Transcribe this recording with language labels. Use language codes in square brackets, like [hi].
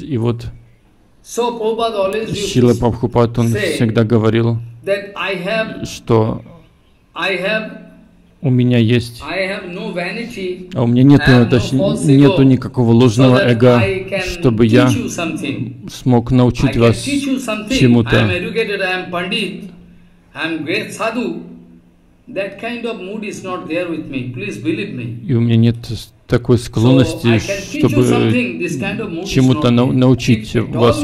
[ru] И вот Шрила Прабхупад, он всегда говорил, что у меня нету никакого ложного эго, чтобы я смог научить вас чему-то. [en] I'm great sadhu. That kind of mood is not there with me. Please believe me. [ru] И у меня нет такой склонности, чтобы чему-то научить вас.